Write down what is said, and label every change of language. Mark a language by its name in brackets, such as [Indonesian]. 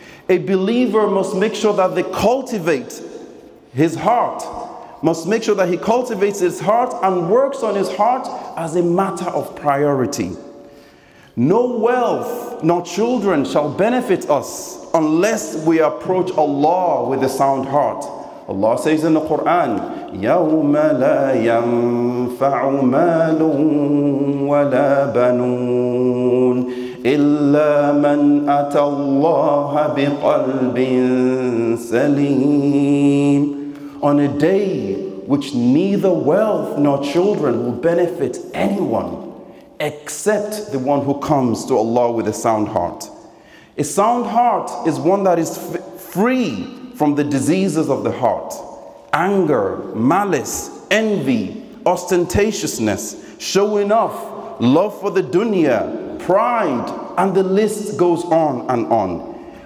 [English] A believer must make sure that they cultivate his heart, must make sure that he cultivates his heart and works on his heart as a matter of priority. No wealth nor children shall benefit us unless we approach Allah with a sound heart. Allah says in the Quran, [Arabic] يَوْمَ لَا يَنْفَعُ مَالٌ وَلَا بَنُونَ إِلَّا مَنْ أَتَى اللَّهَ بِقَلْبٍ سَلِيمٍ. [English] On a day which neither wealth nor children will benefit anyone except the one who comes to Allah with a sound heart. A sound heart is one that is free from the diseases of the heart: anger, malice, envy, ostentatiousness, showing off, love for the dunya, pride, and the list goes on and on.